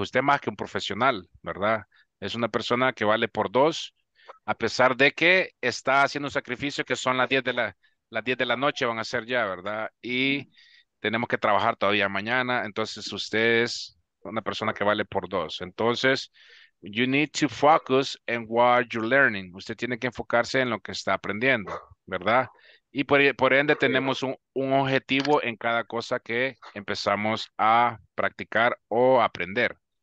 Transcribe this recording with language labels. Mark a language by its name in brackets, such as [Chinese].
[Spanish] Usted es más que un profesional, ¿verdad? Es una persona que vale por dos, a pesar de que está haciendo un sacrificio que son las 10 de la noche van a ser ya, ¿verdad? Y tenemos que trabajar todavía mañana, entonces usted es una persona que vale por dos. [English] Entonces, you need to focus on what you're learning. [Spanish] Usted tiene que enfocarse en lo que está aprendiendo, ¿verdad? Y por ende tenemos un objetivo en cada cosa que empezamos a practicar o aprender.